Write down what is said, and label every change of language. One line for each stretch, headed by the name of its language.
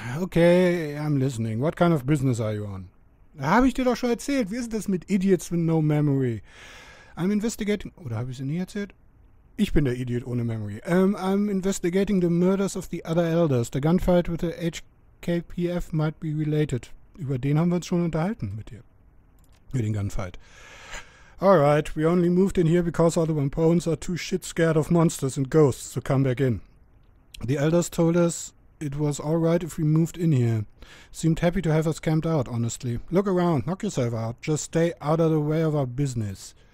English: Okay, I'm listening. What kind of business are you on?
German: Habe ich dir doch schon erzählt. Wie ist das mit
English: Idiots with no memory? I'm investigating.
German: Oder habe ich es nie erzählt? Ich bin der Idiot ohne Memory.
English: I'm investigating the murders of the other elders. The gunfight with the HKPF might be related.
German: Über den haben wir uns schon unterhalten mit dir. Mit den Gunfight.
English: Alright, we only moved in here because all the Wampones are too shit scared of monsters and ghosts to come back in. The elders told us it was alright if we moved in here. Seemed happy to have us camped out, honestly. Look around, knock yourself out. Just stay out of the way of our business.